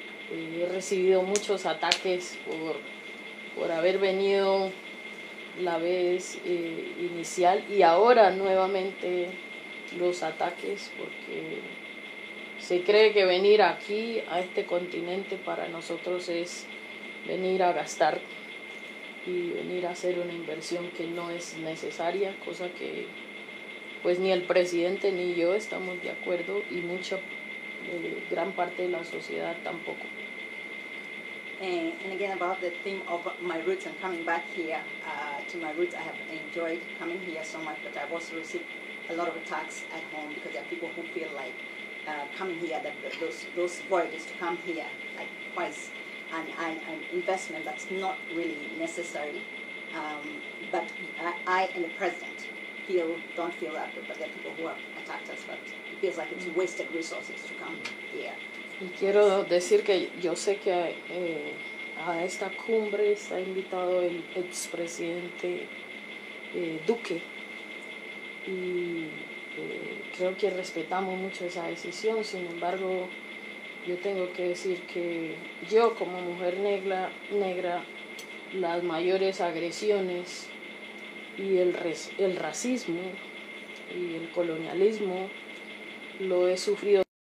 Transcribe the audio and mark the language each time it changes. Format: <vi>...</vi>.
<es>He recibido muchos ataques por haber venido la vez inicial, y ahora nuevamente los ataques, porque se cree que venir aquí a este continente para nosotros es venir a gastar y venir a hacer una inversión que no es necesaria, cosa que pues ni el presidente ni yo estamos de acuerdo, y mucha gran parte de la sociedad tampoco.</es> <en>And again, about the theme of my roots and coming back here to my roots, I have enjoyed coming here so much, but I've also received a lot of attacks at home, because there are people who feel like coming here, that those voyages to come here, like twice, and an investment that's not really necessary. But I and the president don't feel that, but there are people who have attacked us, but it feels like it's wasted resources to come here.</en> <es>Y quiero decir que yo sé que a esta cumbre está invitado el expresidente Duque, y creo que respetamos mucho esa decisión. Sin embargo, yo tengo que decir que yo, como mujer negra, las mayores agresiones y el racismo y el colonialismo lo he sufrido.</es>